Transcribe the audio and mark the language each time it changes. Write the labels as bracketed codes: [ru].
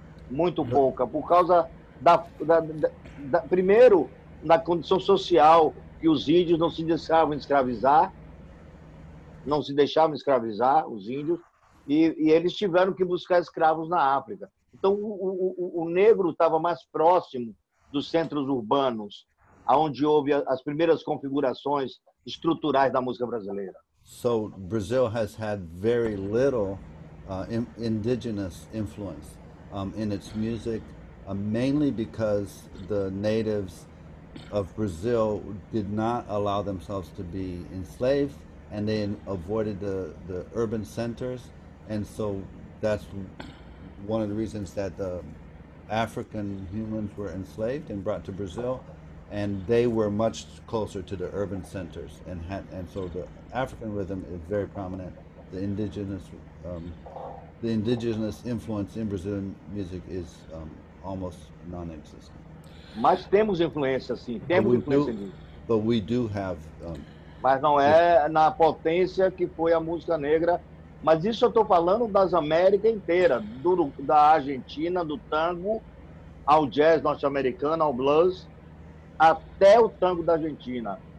[pt] Muito pouca, por causa da primeiro na condição social, que os índios não se deixavam escravizar, os índios, e eles tiveram que buscar escravos na África. Então, o negro estava mais próximo dos centros urbanos, onde houve as primeiras configurações estruturais da música brasileira. [en] So, Brazil has had very little indigenous influence in its music, mainly because the natives of Brazil did not allow themselves to be enslaved, and they avoided the urban centers, and so that's one of the reasons that the African humans were enslaved and brought to Brazil, and they were much closer to the urban centers, and so the African rhythm is very prominent. The indigenous influence in Brazilian music is almost non-existent. [pt] Mas temos influência, sim. Temos influência nisso. [en] But we do have... [pt] Mas não é na potência que foi a música negra. Mas isso eu estou falando das Américas inteiras. Da Argentina, do tango, ao jazz norte-americano, ao blues, até o tango da Argentina.